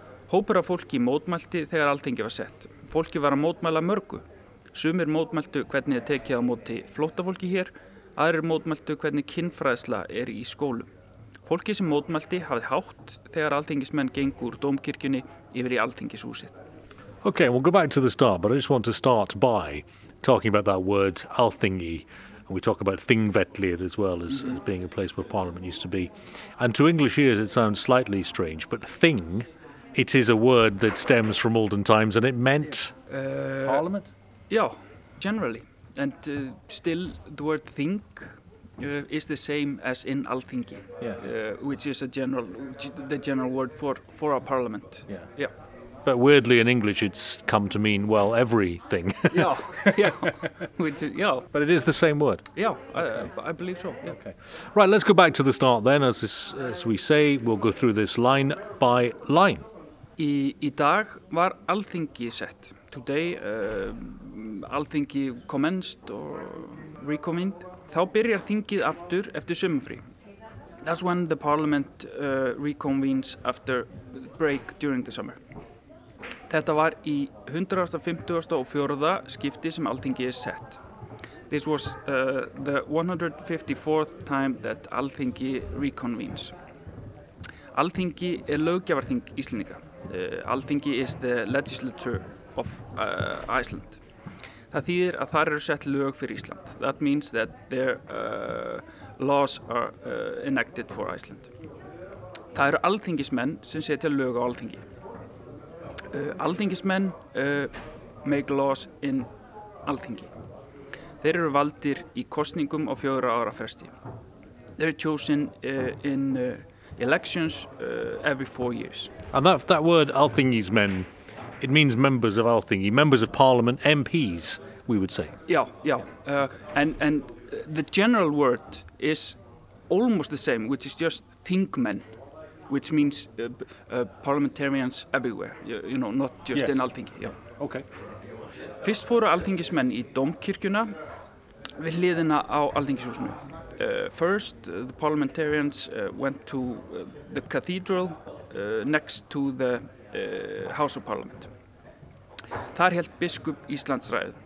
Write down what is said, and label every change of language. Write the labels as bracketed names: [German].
[Icelandic] Hópur af fólki mótmælti þegar ALþingi var sett. Fólki var að mótmæla mörgu. Sumir mótmæltu hvernig þið tekið á móti flóttafólki hér, aðrir mótmæltu hvernig kynfræðsla í skólum. Fólki sem mótmælti hafði hátt þegar ALþingismenn gengu úr dómkirkjunni yfir í ALþingishúsið. [English] Okay, we'll go back to the start, but I just want to start by talking about that word, ALþingi, and we talk about Þingvellir as well as being a place where Parliament used to be. And to English ears, it sounds slightly strange, but Þing, it is a word that stems from olden times, and it meant... Parliament? Yeah, generally. And still, the word Þing is the same as in ALþingi, yes. Which is a general, the general word for our Parliament. Yeah. Yeah. But weirdly, in English, it's come to mean, well, everything. Yeah. But it is the same word. Yeah, okay. I believe so. Yeah. Okay. Right, let's go back to the start then. As we say, we'll go through this line by line. [Icelandic] Í dag var ALþingi sett. [English] Today, ALþingi commenced or reconvened. [Icelandic] Þá byrjar þingið aftur eftir sumarfrí. [English] That's when the parliament reconvenes after break during the summer. [Icelandic] Þetta var í 154. skipti sem ALþingi sett. [English] This was the 154th time that ALþingi reconvenes. [Icelandic] ALþingi löggjafarþing Íslendinga. [English] ALþingi is the legislature of Iceland. [Icelandic] Það þýðir að þar sett lög fyrir Ísland. [English] That means that their laws are enacted for Iceland. [Icelandic] Það ALþingismenn sem setja lög á ALþingi. [English] ALþingismenn make laws in ALþingi. [Icelandic] Þeir valdir í kosningum á 4 ára fresti. [English] They're chosen in elections every 4 years. And that word ALþingismenn, it means members of ALþingi, members of parliament, MPs, we would say. Yeah. And the general word is almost the same, which is just Þingmenn. Which means parliamentarians everywhere, you know, not just yes. In ALþingi. Yeah. Okay. [Icelandic] Fyrst fóru ALþingismenn í dómkirkjuna við hliðina á ALþingishúsinu. [English] First, the parliamentarians went to the cathedral next to the House of Parliament. [Icelandic] Þar hélt biskup Íslands ræðu.